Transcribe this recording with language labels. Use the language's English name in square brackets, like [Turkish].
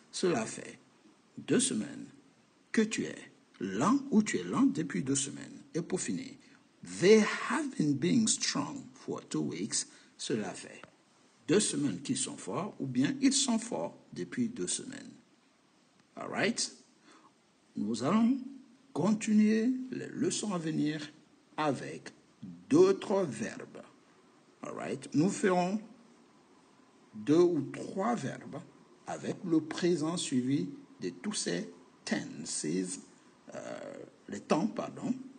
[French] Cela fait 2 semaines que tu es lent ou tu es lent depuis 2 semaines. Et pour finir, [English] they have been being strong for 2 weeks. [French] Cela fait 2 semaines qu'ils sont forts ou bien ils sont forts depuis 2 semaines. [English] All right? [French] Nous allons continuer les leçons à venir avec d'autres verbes. Alright, nous ferons 2 ou 3 verbes avec le présent suivi de tous ces tenses, les temps, pardon.